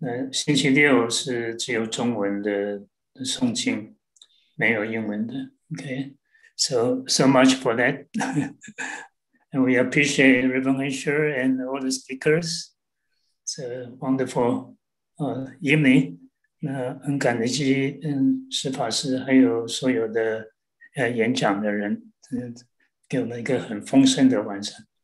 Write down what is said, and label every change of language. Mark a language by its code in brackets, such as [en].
[zh] 星期六是只有中文的诵经, 没有英文的, okay? [en] So much for that. And we appreciate Reverend Hensher and all the speakers. It's a wonderful evening. [zh] 很感激司法师还有所有的演讲的人给我们一个很丰盛的晚上。